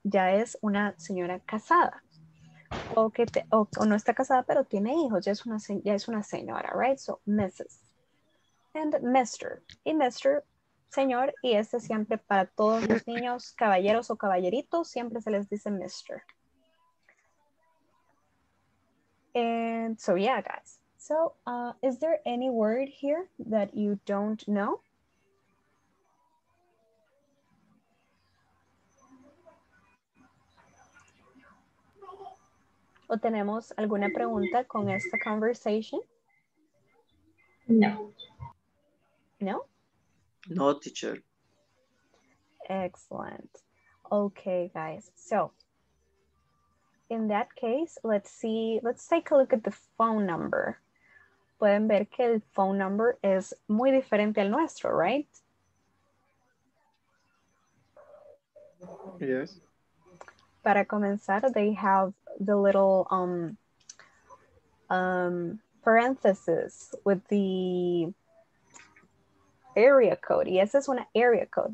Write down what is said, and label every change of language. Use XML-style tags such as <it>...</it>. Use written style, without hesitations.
<es>ya es una señora casada o no está casada pero tiene hijos, ya es una señora, right?</es> <en>So Mrs. and Mr.</en> <es>y Mr. señor, y este siempre para todos los niños, caballeros o caballeritos, siempre se les dice Mr.</es> <en>And so, yeah, guys. So, is there any word here that you don't know? ¿O tenemos alguna pregunta con esta conversation? No. No? No, teacher. Excellent. Okay, guys. So, in that case, let's see, let's take a look at the phone number.</en> <es>Pueden ver que el phone number es muy diferente al nuestro, right?</es> <en>Yes.</en> <es>Para comenzar,</es> <en>they have the little parentheses with the area code.</en> <es>Y esa es una</es> <en>area code.</en>